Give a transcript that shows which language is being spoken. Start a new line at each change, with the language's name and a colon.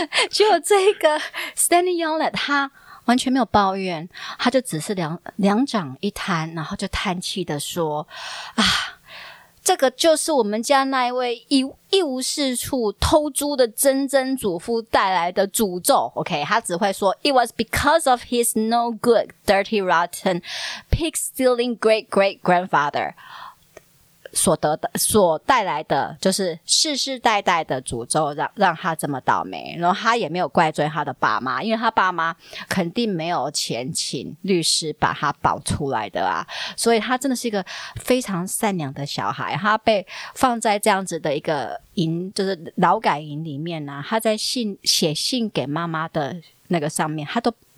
Chinese: 就这个 Stanley Yelnat 他完全没有抱怨，他就只是两掌一摊，然后就叹气的说：“啊，这个就是我们家那一位一无是处偷猪的曾曾祖父带来的诅咒。”
English: OK，
Chinese: 他只会说
English: ：“It was because of his no good, dirty, rotten, pig stealing great great grandfather.”
Chinese: 所带来的就是世世代代的诅咒让他这么倒霉，然后他也没有怪罪他的爸妈，因为他爸妈肯定没有钱请律师把他保出来的啊，所以他真的是一个非常善良的小孩，他被放在这样子的一个营，就是劳改营里面啊，他在写信给妈妈的那个上面他都